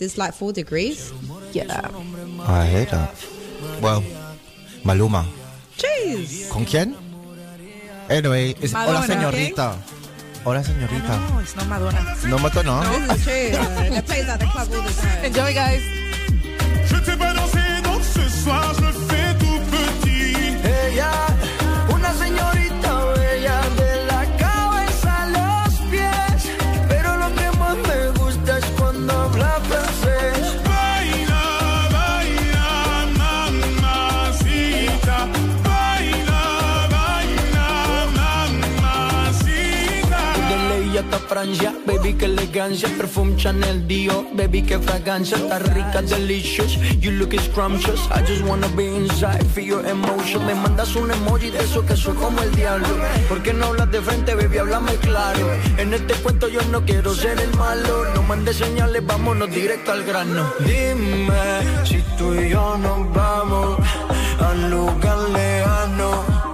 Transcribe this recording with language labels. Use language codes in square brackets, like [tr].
[en] Yeah. It's like 4 degrees. Yeah. I hate that. Well, Maluma. Jeez. [es] ¿Con quién? [en] Anyway, it's Maluma. [es] Hola, señorita. Okay. Hola, señorita. [en] No, it's not Madonna. No, Madonna, no. This is true. They play that at the club all the time. Enjoy, guys. [fr] Je t'ai balancé, donc ce soir je fais tout petit. [es] Ella, una señorita bella, de la cabeza a los pies. Pero lo que más me gusta es cuando habla francés. Baila, baila, mamacita. Baila, baila, mamacita. De ley ya está Francia, baby, que elegancia. Perfume Chanel Dior, baby, que fragancia. Está rica, [en] delicious, you look scrumptious. I just wanna be inside, feel your emotion. [es] Me mandas un emoji de eso que soy como el diablo. ¿Por qué no hablas de frente, baby? Háblame claro. En este cuento yo no quiero ser el malo. No mandes señales, vámonos directo al grano. Dime si tú y yo nos vamos al lugar lejano.